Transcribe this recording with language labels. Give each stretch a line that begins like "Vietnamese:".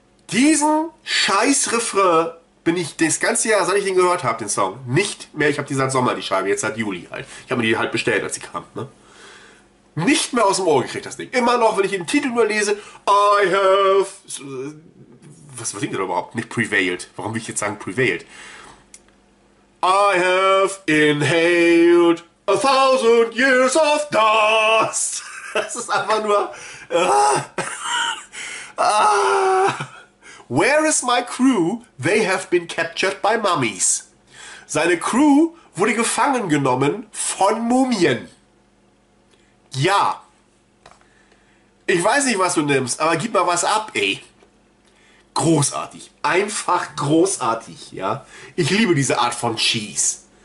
German: Diesen Scheiß-Refrain bin ich das ganze Jahr, seit ich den gehört habe, den Song, nicht mehr, ich habe die seit Sommer, die Scheibe, jetzt seit Juli halt. Ich habe mir die halt bestellt, als sie kam, ne? Nicht mehr aus dem Ohr gekriegt, das Ding. Immer noch, wenn ich den Titel nur lese,
English: I have...
German: Was singt er da überhaupt? Nicht prevailed. Warum will ich jetzt sagen prevailed?
English: I have inhaled 1000 years of dust.
German: Das ist einfach nur...
English: Where is my crew? They have been captured by mummies.
German: Seine Crew wurde gefangen genommen von Mumien. Ja, ich weiß nicht, was du nimmst, aber gib mal was ab, ey. Großartig, einfach großartig, ja. Ich liebe diese Art von Cheese.